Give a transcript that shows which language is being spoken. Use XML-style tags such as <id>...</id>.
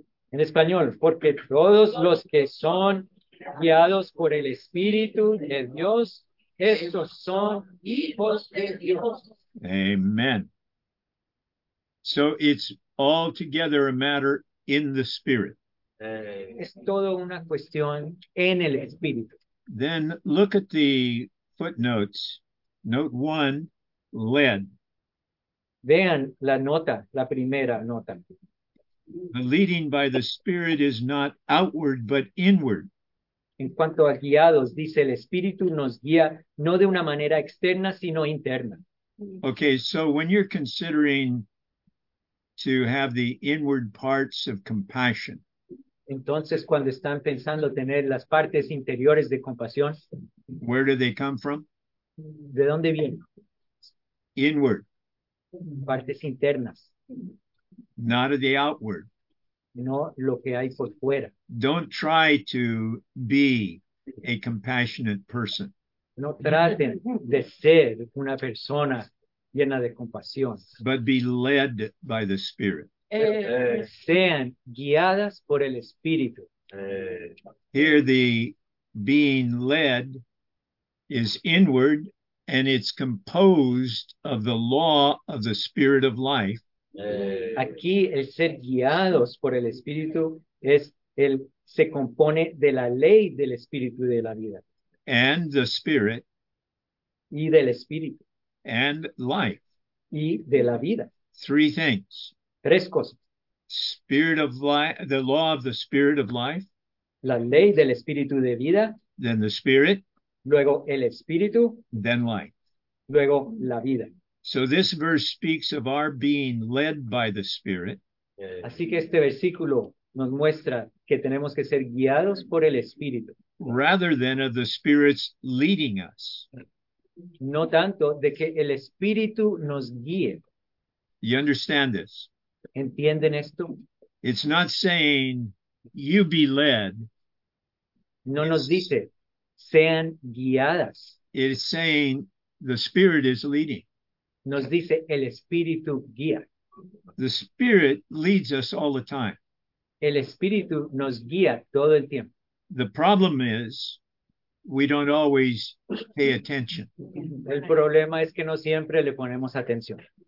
<es>En español, porque todos los que son guiados por el Espíritu de Dios, estos son hijos de Dios.</es> <en>Amen. So it's altogether a matter in the Spirit.</en> <es>Es todo una cuestión en el Espíritu.</es> <en>Then look at the footnotes. Note one, led.</en> <es>Vean la nota, la primera nota.</es> <en>The leading by the Spirit is not outward, but inward.</en> <es>En cuanto a guiados, dice el Espíritu nos guía no de una manera externa, sino interna.</es> <en>Okay, so when you're considering to have the inward parts of compassion,</en> <es>entonces, cuando están pensando tener las partes interiores de compasión,</es> <en>where do they come from?</en> <es>¿De dónde vienen?</es> <en>Inward.</en> <es>Partes internas.</es> <en>Not of the outward.</en> <es>No lo que hay por fuera.</es> <en>Don't try to be a compassionate person.</en> <es>No traten de ser una persona llena de compasión.</es> <en>But be led by the Spirit.</en> <es>Sean guiadas por el Espíritu.</es> <en>Here the being led is inward and it's composed of the law of the Spirit of life.</en> <es>Aquí el ser guiados por el Espíritu es el se compone de la ley del Espíritu de la vida.</es> <en>And the Spirit.</en> <es>Y del Espíritu.</es> <en>And life.</en> <es>Y de la vida.</es> <en>Three things.</en> <es>Tres cosas.</es> <en>Spirit of life, the law of the Spirit of life.</en> <es>La ley del Espíritu de vida.</es> <en>Then the Spirit.</en> <es>Luego el Espíritu.</es> <en>Then life.</en> <es>Luego la vida.</es> <en>So this verse speaks of our being led by the Spirit.</en> <es>Así que este versículo nos muestra que tenemos que ser guiados por el Espíritu.</es> <en>Rather than of the Spirit's leading us.</en> <es>No tanto de que el Espíritu nos guíe.</es> <en>You understand this?</en> <es>¿Entienden esto?</es> <en>It's not saying, you be led.</en> <es>No</es> <en>it's,</en> <es>nos dice, sean guiadas.</es> <en>It is saying, the Spirit is leading.</en> <es>Nos dice el Espíritu guía.</es> <en>The Spirit leads us all the time.</en> <es>El Espíritu nos guía todo el tiempo.</es> <en>The problem is we don't always pay attention.</en> <es>El problema es que no siempre le ponemos atención.</es>